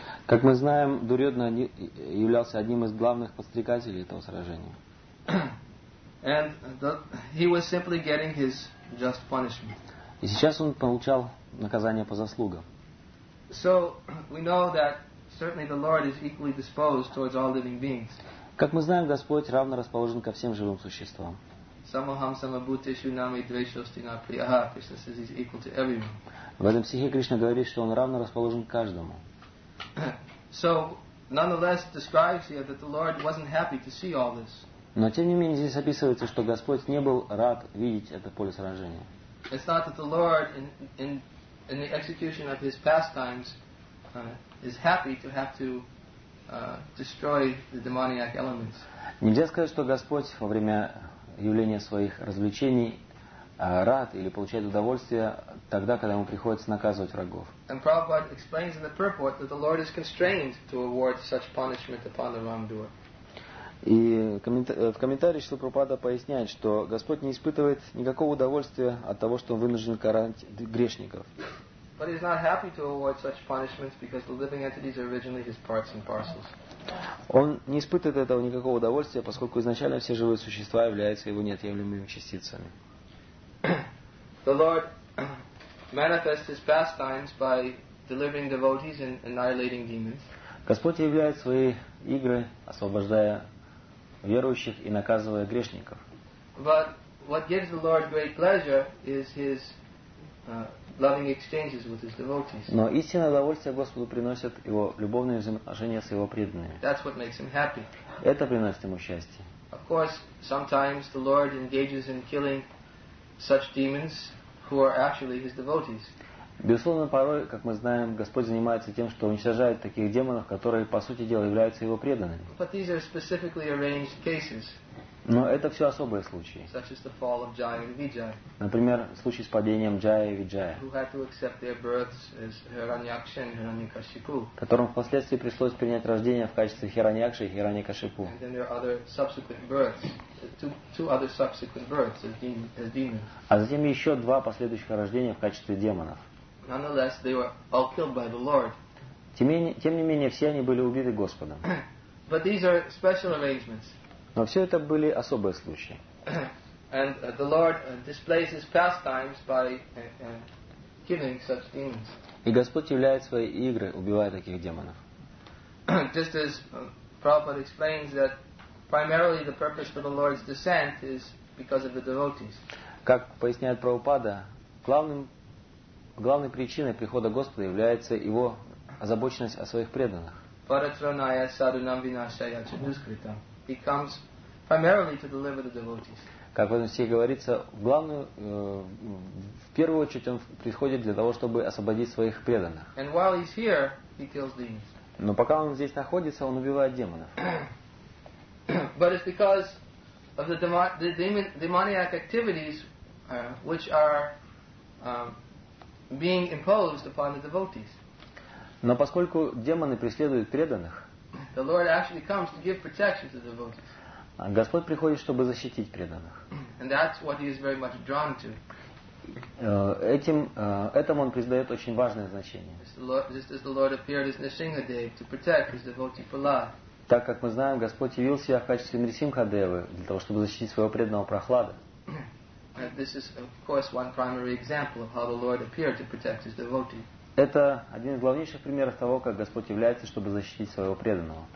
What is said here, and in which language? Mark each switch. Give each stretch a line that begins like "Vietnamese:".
Russian: Как мы знаем, Дурьодна являлся одним из главных подстрекателей этого сражения.
English: And he was simply getting his just punishment.
Russian: И сейчас он получал наказание по заслугам.
English: So we know that certainly the Lord is equally disposed towards all living beings.
Russian: Как мы знаем, Господь равно расположен ко всем живым существам.
Sanskrit: Самахам самабутешу нами двешостина прияха.
English: Krishna says he's equal to everyone.
Russian: В этом стихе Кришна говорит, что он равно расположен к каждому.
English: So, nonetheless, describes here that the Lord wasn't happy to see all this.
Russian: Но тем не менее здесь описывается, что Господь не был рад видеть это поле сражения.
English: It's not that the Lord in the execution of his pastimes is happy to have to destroy the demoniac elements.
Russian: Нельзя сказать, что Господь во время явления своих развлечений рад или получает удовольствие тогда, когда ему приходится наказывать врагов.
English: And Prabhupada explains in the purport that the Lord is constrained to award such punishment upon the wrongdoer.
Russian: И в комментарии Шрила Прабхупада поясняет, что Господь не испытывает никакого удовольствия от того, что он вынужден карать грешников.
English: But he's not happy to award such punishments because the living entities are originally his parts and parcels.
Russian: Он не испытывает этого никакого удовольствия, поскольку изначально все живые существа являются его неотъемлемыми частицами.
English: The Lord manifests his pastimes by delivering devotees and annihilating demons.
Russian: Господь являет свои игры, освобождая верующих и наказывая грешников.
English: But what gives the Lord great pleasure is his loving exchanges with his devotees.
Russian: Но истинное удовольствие Господу приносят его любовные взаимоотношения с его преданными.
English: That's what makes him happy.
Russian: Это приносит ему счастье.
English: Of course, sometimes the Lord engages in killing such demons who are actually his devotees.
Russian: Безусловно, порой, как мы знаем, Господь занимается тем, что уничтожает таких демонов, которые, по сути дела, являются его преданными.
English: But these are specifically arranged cases.
Russian: Но это все особые случаи.
English: Such as the fall of Jaya and Vijaya.
Russian: Например, случай с падением Джая и Виджая.
English: Who had to accept their births as Hiranyaksha and Hiranyakashipu.
Russian: Которым впоследствии пришлось принять рождение в качестве Хираньякши и Хираньякашипу.
English: And then there are other subsequent births. Two other subsequent births as demons.
Russian: А затем еще два последующих рождения в качестве демонов.
English: Nonetheless, they were all killed by the Lord.
Russian: Тем не менее, все они были убиты Господом.
English: But these are special arrangements.
Russian: Но все это были особые случаи.
English: And the Lord displays his pastimes by killing such demons.
Russian: И Господь являет свои игры, убивая таких демонов.
English: Just as Prabhupada explains that primarily the purpose for the Lord's descent is because of the devotees.
Russian: Как поясняет Прабхупада, главной причиной прихода Господа является его озабоченность о своих преданных.
Sanskrit: Paratranaya sadunam vinashaya chaduskritam.
English: He comes primarily to deliver the devotees.
Russian: как в этом стихе говорится, в первую очередь он приходит для того, чтобы освободить своих преданных.
English: And while he's here, he kills demons.
Russian: Но пока он здесь находится, он убивает демонов.
English: But it's because of the demoniac activities which are being imposed upon the devotees.
Russian: Но поскольку демоны преследуют преданных,
English: the Lord actually comes to give protection to the devotees.
Russian: Господь приходит, чтобы защитить преданных.
English: And that's what he is very much drawn to.
Russian: Этому он придает очень важное значение.
English: Just as the Lord appeared as Nrisimhadev to protect his devotee Prahlad.
Russian: Так как мы знаем, Господь явил себя в качестве Нрисимхадевы для того, чтобы защитить своего преданного Прохлада.
English: This is, of course, one primary example of how the Lord appeared to protect his devotee.
Russian: Это один из главнейших примеров того, как Господь является, чтобы защитить своего преданного.